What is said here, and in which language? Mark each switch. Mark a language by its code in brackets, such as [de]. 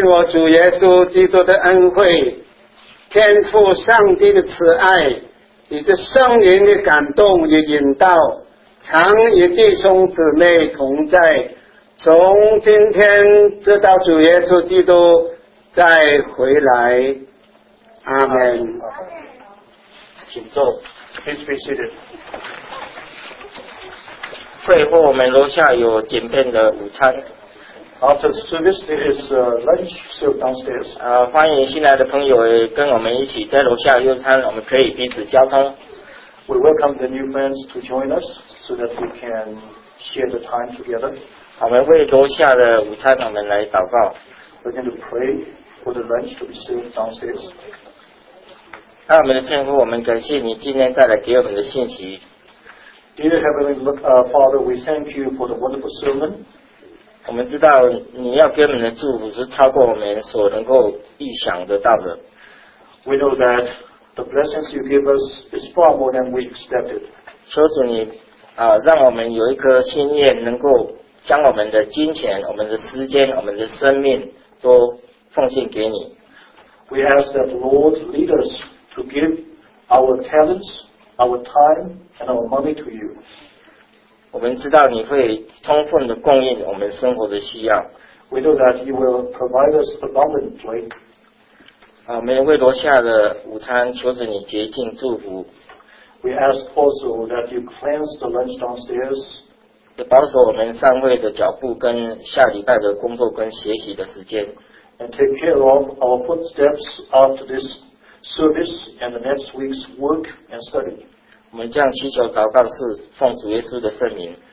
[zh] 主耶稣基督的恩惠，天父上帝的慈爱，以及圣灵的感动与引导，常与弟兄姊妹同在，从今天直到主耶稣基督再回来。阿们。请坐。 [en] Please be seated。 [zh] 最后我们楼下有简便的午餐。 [en] After the service, there is a lunch served downstairs. [zh] 欢迎新来的朋友跟我们一起在楼下用餐，我们可以彼此交通。 [en] We welcome the new friends to join us so that we can share the time together. [zh] 我们为楼下的午餐我们来祷告。 [en] We're going to pray for the lunch to be served downstairs. [zh] 那我们的天父，我们感谢你今天带来给我们的信息。 [en] Dear Heavenly Father, we thank you for the wonderful sermon. [zh] 我们知道你要给我们的祝福是超过我们所能够预想得到的。 [en] We know that the blessings you give us is far more than we expected. [zh] 求主你让我们有一颗心愿，能够将我们的金钱、我们的时间、我们的生命都奉献给你。 [en] We ask that the Lord lead us to give our talents, our time, and our money to you. [zh] 我们知道你会充分的供应我们生活的需要。 [en] We know that you will provide us abundantly. [zh] 我们为罗夏的午餐求着你洁净祝福。 [en] We ask also that you cleanse the lunch downstairs. [zh] 保守我们上会的脚步跟下礼拜的工作跟学习的时间。 [en] And take care of our footsteps after this service and the next week's work and study. [zh] 我们这样祈求祷告是奉主耶稣的圣名。